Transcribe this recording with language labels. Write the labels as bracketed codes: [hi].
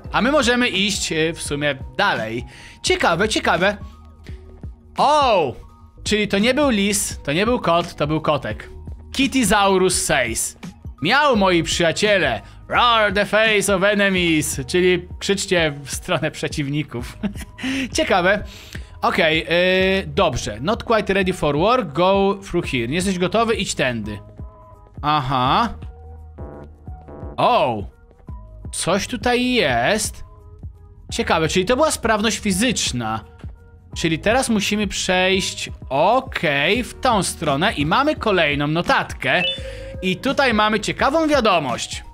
[pl] A my możemy iść w sumie dalej. Ciekawe, ciekawe. O! Czyli to nie był lis, to nie był kot, to był kotek. Kittisaurus says. Miał, moi przyjaciele. [en] Roar the face of enemies. [pl] Czyli krzyczcie w stronę przeciwników. Ciekawe. Okej, dobrze. [en] Not quite ready for war, go through here. [pl] Nie jesteś gotowy, idź tędy. Aha. O! Coś tutaj jest. Ciekawe, czyli to była sprawność fizyczna. Czyli teraz musimy przejść. Okej, w tą stronę. I mamy kolejną notatkę. I tutaj mamy ciekawą wiadomość.